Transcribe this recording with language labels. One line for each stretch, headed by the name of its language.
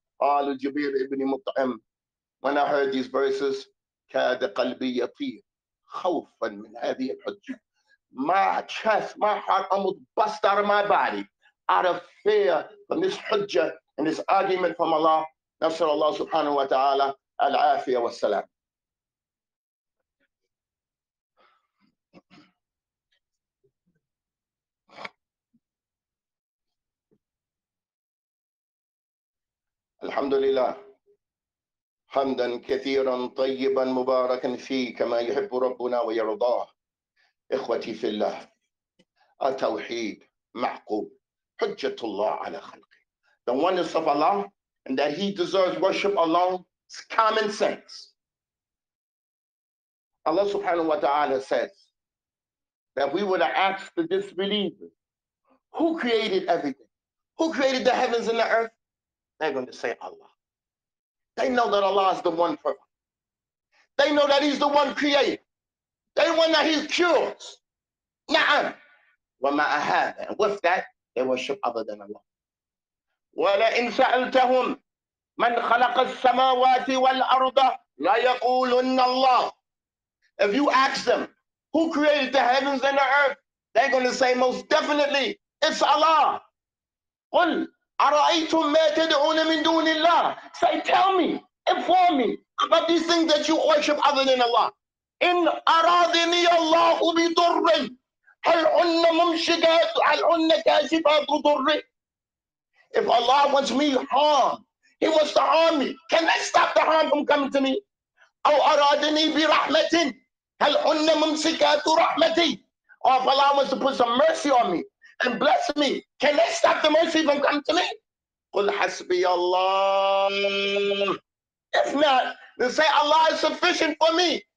Arabic: قالوا جبير ابن مطعم.
English: When I heard these verses,
Arabic: كاد قلبي يطير خوفا من هذه الحجة.
English: My chest, my heart almost bust out of my body out of fear from this hujjah and this argument from Allah.
Arabic: نسأل الله سبحانه وتعالى العافية والسلام. الحمد لله حمدا كثيرا طيبا مباركا فيه كما يحب ربنا ويرضاه. إخوتي في الله, التوحيد معقول, حجة الله على خلقه.
English: The oneness of Allah and that he deserves worship alone is common sense. Allah subhanahu wa ta'ala says that if we were to ask the disbelievers who created everything, who created the heavens and the earth, they're going to say Allah. They know that Allah is the one perfect. They know that he's the one creator. They know that he cures. Na'am.
Arabic: وَمَا أَهَادَ.
English: And with that, they worship other than Allah.
Arabic: وَلَئِنْ سَأَلْتَهُمْ مَنْ خَلَقَ السَّمَاوَاتِ وَالْأَرْضَ لَيَقُولُنَّ اللَّهِ.
English: If you ask them, who created the heavens and the earth, they're going to say most definitely, it's Allah.
Arabic: قُلْ أَرَأَيْتُمْ مَا تَدْعُونَ مِنْ دُونِ اللَّهِ
English: Say, tell me, inform me about these things that you worship other than Allah.
Arabic: إِنْ أَرَادِنِيَ اللَّهُ بِضُرِّ هَلْ عُنَّ مُمْشِكَاتُ هَلْ عُنَّ كَاشِفَاتُ ضُرِّ
English: If Allah wants me harm, He wants to harm me. Can I stop the harm from coming to me?
Arabic: أَوْ أَرَادِنِي بِرَحْمَةٍ هَلْ عُنَّ مُمْشِكَاتُ رَحْمَتِي
English: Or if Allah wants to put some mercy on me and bless me, can they stop the mercy from coming to me?
Arabic: قُلْ حَسْبِيَ اللَّهُ
English: If not, then say Allah is sufficient for me.